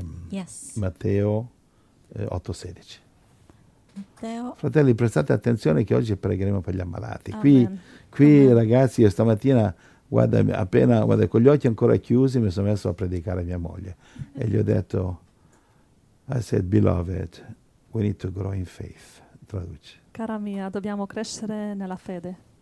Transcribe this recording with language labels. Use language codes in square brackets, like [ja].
[en] Yes. [it] Matteo 8:16. Matteo. Fratelli, prestate attenzione che oggi pregheremo per gli ammalati. Amen. Qui Amen. Ragazzi, io stamattina... Guarda, con gli occhi ancora chiusi mi sono messo a predicare a mia moglie. E gli ho detto... [en] I said, beloved, we need to grow in faith. [it] Traduce. Cara mia, dobbiamo crescere nella fede.